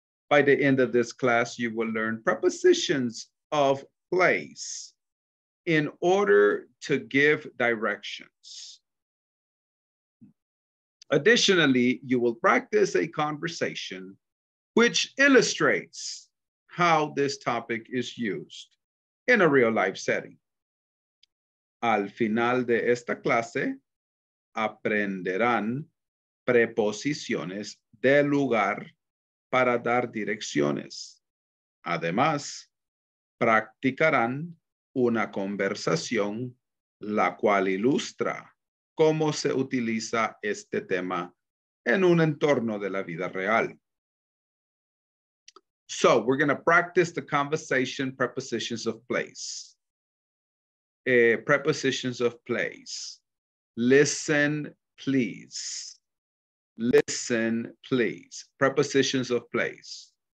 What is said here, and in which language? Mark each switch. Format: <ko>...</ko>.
<en>By the end of this class, you will learn prepositions of place in order to give directions. Additionally, you will practice a conversation which illustrates how this topic is used in a real life setting.</en> <es>Al final de esta clase, aprenderán preposiciones de lugar para dar direcciones. Además, practicarán una conversación la cual ilustra cómo se utiliza este tema en un entorno de la vida real.</es> <en>So, we're going to practice the conversation prepositions of place. Prepositions of place. Listen, please. Listen, please. Prepositions of place.</en>